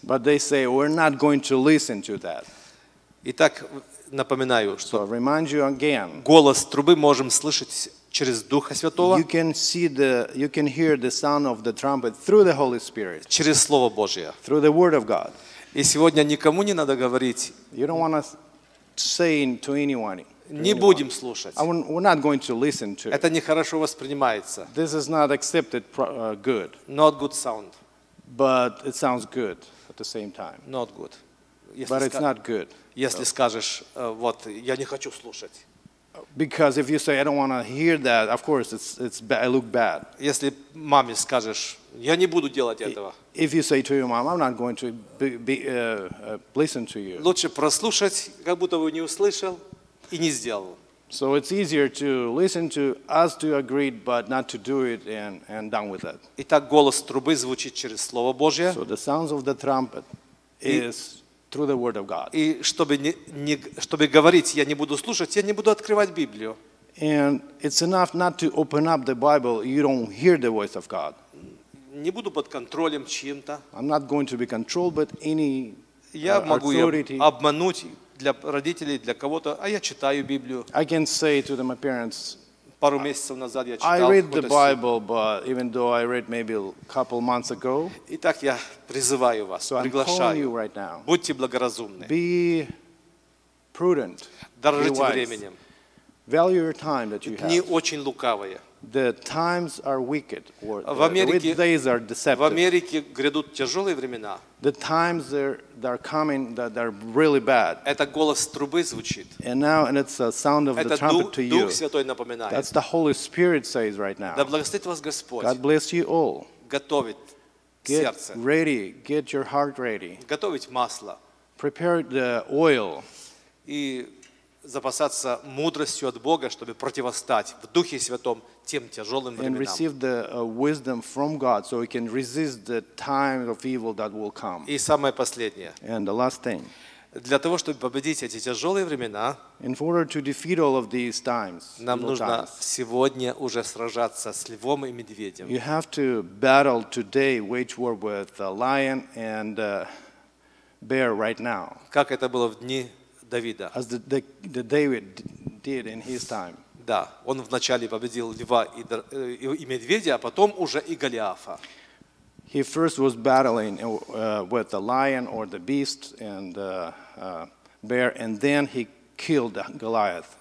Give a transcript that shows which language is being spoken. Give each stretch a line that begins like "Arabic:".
English: But they say we're not going to listen to that.
Russian: Итак, напоминаю, что
English: so remind you again,
Russian: голос трубы можем слышать через Духа Святого.
English: You can see you can hear the sound of the trumpet through the Holy Spirit.
Russian: Через Слово Божие.
English: Through the Word of God.
Russian: И сегодня никому не надо говорить.
English: You don't want to say to anyone.
Russian: Не будем слушать.
English: We're not going to listen to.
Russian: Это нехорошо воспринимается.
English: This is not accepted good. Not good sound. But it sounds good at the same time. Not good. But it's not good.
Russian: Если скажешь, вот, я не хочу слушать.
English: Because if you say, I don't want to hear that, of course, it's bad, I look bad.
Russian: Если маме скажешь, я не буду делать этого.
English: If you say to your mom, I'm not going to be listen to you.
Russian: Лучше прослушать, как будто бы не услышал и не сделал.
English: So it's easier to listen to us to agree, but not to do it and done with it.
Russian: Итак, голос трубы звучит через Слово Божье.
English: So the sounds of the trumpet is through the word of God.
Russian: И чтобы говорить, я не буду слушать, я не буду открывать Библию.
English: And it's enough not to open up the Bible, you don't hear the voice of God.
Russian: Не буду под контролем чьим-то.
English: I'm not going to be controlled but any
Russian: я могу обмануть для родителей, для кого-то, а я читаю Библию.
English: I can say to them, my parents,
Russian: пару месяцев назад я читал.
English: I read the Bible, but even though I read maybe a couple months ago.
Russian: Итак, я призываю вас, приглашаю.
English: I'm calling you right now.
Russian: Будьте благоразумны.
English: Be prudent.
Russian: Дорожите временем.
English: Value your time that you have.
Russian: Дни очень лукавые.
English: The times are wicked. The days are deceptive.
Russian: В Америке грядут тяжелые времена.
English: The times that are coming that are really bad.
Russian: Это голос трубы звучит.
English: And now, and it's the sound of the trumpet to you.
Russian: Дух Святой напоминает.
English: That's the Holy Spirit says right now.
Russian: Да благословит вас Господь.
English: God bless you all.
Russian: Готовит сердце.
English: Get ready. Get your heart ready.
Russian: Готовить масло.
English: Prepare the oil.
Russian: И запасаться мудростью от Бога, чтобы противостать в Духе Святом тем тяжелым временам.
English: And receive the wisdom from God, so we can resist the time of evil that will come.
Russian: И самое последнее.
English: And the last thing.
Russian: Для того, чтобы победить эти тяжелые времена,
English: in order to defeat all of these times,
Russian: нам нужно сегодня уже сражаться с львом и медведем.
English: You have to battle today, wage war with the lion and bear right now.
Russian: Как это было в дни Давида.
English: As the David did in his time.
Russian: Да, он вначале победил льва и медведя, а потом уже и Голиафа.
English: He first was battling with the lion or the beast and the bear, and then he killed Goliath.